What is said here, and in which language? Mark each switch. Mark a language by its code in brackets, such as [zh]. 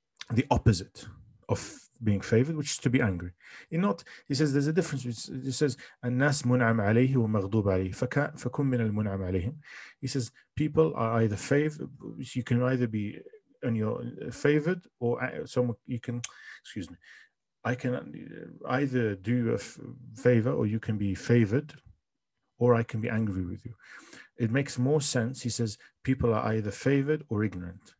[en] the opposite of being favored, which is to be angry. In not, he says there's a difference. He says [ar] الناس منعم عليه ومغضوب عليه فكن من المنعم عليهم. [en] He says people are either favored, you can either be on your favored, or someone, you can, excuse me, I can either do a favor or you can be favored, or I can be angry with you. It makes more sense. He says people are either favored or ignorant.